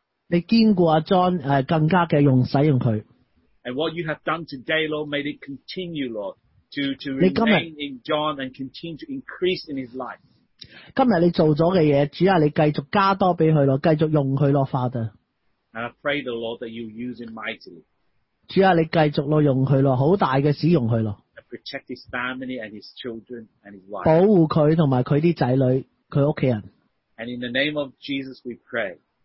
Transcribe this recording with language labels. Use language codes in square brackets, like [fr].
[yue] 你堅固阿 John 更加嘅用使用佢。 [en] And what you have done today, Lord, may it continue, Lord, to remain in John and continue to increase in his life. [yue] 今日你做咗嘅嘢，主啊，你繼續加多俾佢咯，繼續用佢咯 ，Father. [en] And I pray the Lord that you use him mightily. [yue] 主啊，你繼續咯，用佢咯，好大嘅使用佢咯。 [en] And protect his family and his children and his wife. [yue] 保護佢同埋佢啲仔女，佢屋企人。 [en] And in the name of Jesus, we pray.